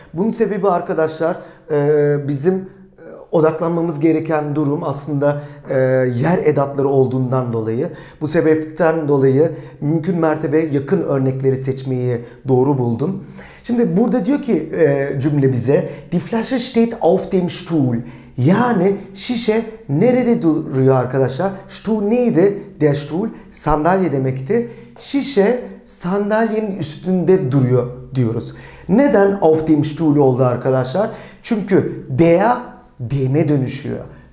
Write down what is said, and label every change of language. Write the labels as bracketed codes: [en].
[tr] Bunun sebebi arkadaşlar bizim odaklanmamız gereken durum aslında yer edatları olduğundan dolayı. Bu sebepten dolayı mümkün mertebe yakın örnekleri seçmeyi doğru buldum. Şimdi burada diyor ki cümle bize [de] Die Flasche steht auf dem Stuhl. [tr] Yani şişe nerede duruyor arkadaşlar? Stuhl neydi? [de] Der Stuhl [tr] sandalye demekti. Şişe sandalyenin üstünde duruyor diyoruz. Neden [de] auf dem Stuhl [tr] oldu arkadaşlar? Çünkü der dem'e dönüşüyor.